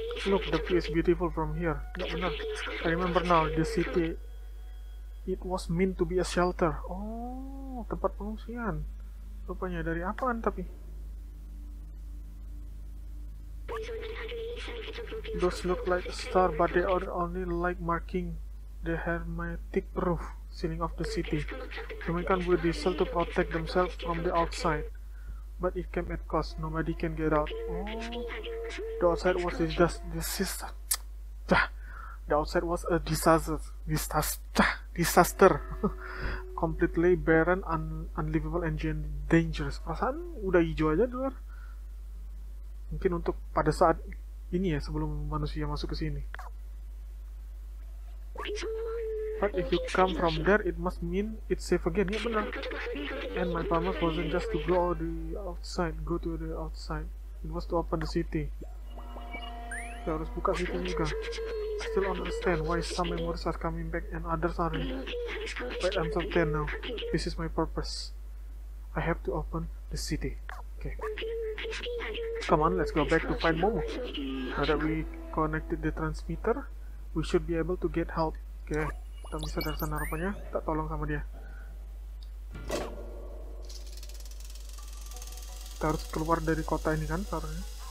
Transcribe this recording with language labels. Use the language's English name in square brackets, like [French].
[English] Look, the view is beautiful from here. [Indonesian] Nggak benar, [English] I remember now, the city, it was meant to be a shelter. [Indonesian] Oh, tempat pengungsian, rupanya dari apaan tapi? [English] Those look like star, but they are only like marking the hermetic roof ceiling of the city. Humans can build this to protect themselves from the outside, but it came at cost. Nobody can get out. The outside was just disaster. The outside was a disaster. Completely barren, unlivable, and dangerous. [Indonesian] Perasaan udah hijau aja di luar. Mungkin untuk pada saat ini ya, sebelum manusia masuk ke sini. [English] But if you come from there, it must mean it's safe again. [Indonesian] Ya benar. [English] And my promise wasn't just to go the outside, go to the outside. It was to open the city. [Indonesian] Kita harus buka city juga. [English] I still understand why some memories are coming back and others aren't. But I'm certain now. This is my purpose. I have to open the city. Okay. Come on, let's go back to find Momo. Now that we connected the transmitter, we should be able to get help. Oke, okay. [Indonesian] Kita bisa dari sana rupanya. Kita tolong sama dia. Kita harus keluar dari kota ini kan, seharusnya.